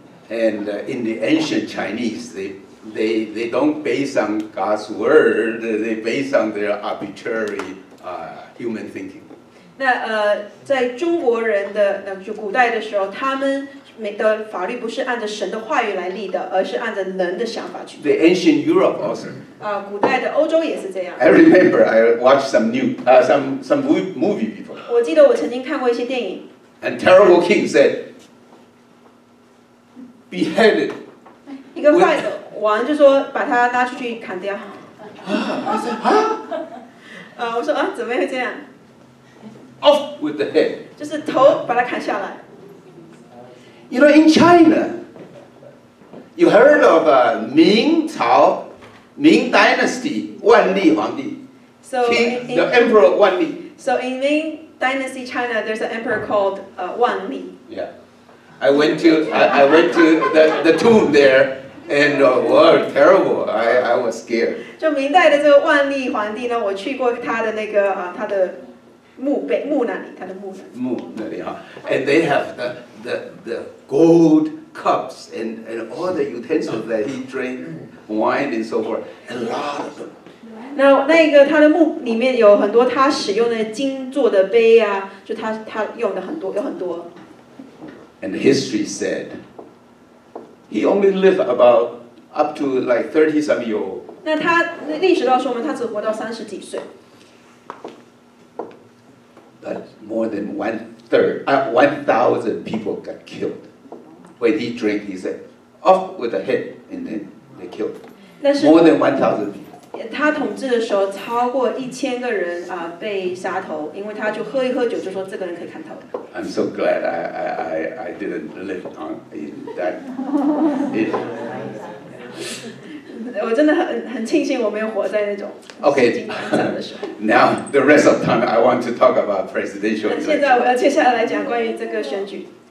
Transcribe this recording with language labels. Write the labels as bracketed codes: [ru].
[en] And in the ancient Chinese, they don't base on God's word; they base on their arbitrary human thinking. [zh] 那在中国人的就古代的时候，他们的法律不是按照神的话语来立的，而是按照人的想法去。 [en] The ancient Europe also. [zh] 古代的欧洲也是这样。 [en] I remember I watched some movie before. [zh] 我记得我曾经看过一些电影。 [en] And terrible king said. Beheaded. [zh] 一个坏的王就说把他拉出去砍掉。啊！我说啊，怎么会这样 [en] ？Off with the head. [zh] 就是头把他砍下来。 [en] You know, in China, you heard of a 明朝 Ming Dynasty 万历皇帝，So King, the Emperor 万历。 So in Ming Dynasty China, there's an emperor called 万历。 Yeah. I went to the tomb there, and wow, terrible! I was scared. [zh] 就明代的这个万历皇帝呢，我去过他的那个他的墓那里，他的墓。墓那里哈 [en] ，and they have the gold cups and all the utensils that he drank wine and so forth, a lot of them. [zh] 那一个他的墓里面有很多他使用的金做的杯啊，就他用的很多，有很多。 [en] And history said he only lived about up to like 30 some years old. [zh] 那他历史告诉我们，他只活到三十几岁。 [en] But more than one thousand people got killed when he drank. He said, "Off with the head!" And then they killed. More than 1,000 people. [zh] 他统治的时候，超过一千个人被杀头，因为他就喝一喝酒，就说这个人可以砍头。 [en] I'm so glad I didn't live on in that. [zh] 我真的很庆幸我没有活在那种。 [en] Okay. Now the rest of time I want to talk about presidential. [zh] 那现在我要接下来讲关于这个选举。